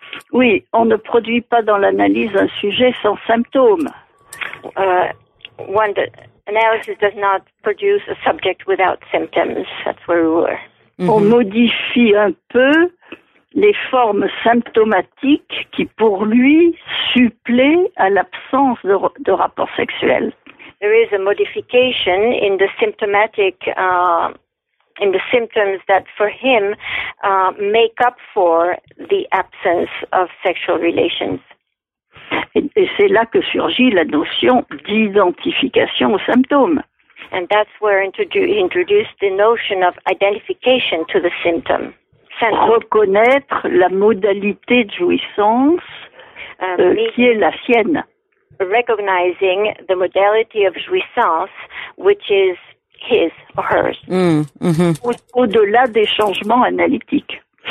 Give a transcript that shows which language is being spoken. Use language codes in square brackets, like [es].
[fr] Oui, on ne produit pas dans l'analyse un sujet sans symptômes. [en] When the analysis does not produce a subject without symptoms, that's where we were. Mm-hmm. [fr] On modifie un peu les formes symptomatiques qui, pour lui, supplaient à l'absence de rapport sexuel. [en] There is a modification in the symptomatic, in the symptoms that, for him, make up for the absence of sexual relations. [fr] Et c'est là que surgit la notion d'identification aux symptômes. [en] And that's where introduced the notion of identification to the symptom. [fr] Reconnaître la modalité de jouissance qui est la sienne. [en] Recognizing the modality of jouissance, which is his or hers. Mm-hmm. [fr] Au-delà des changements analytiques.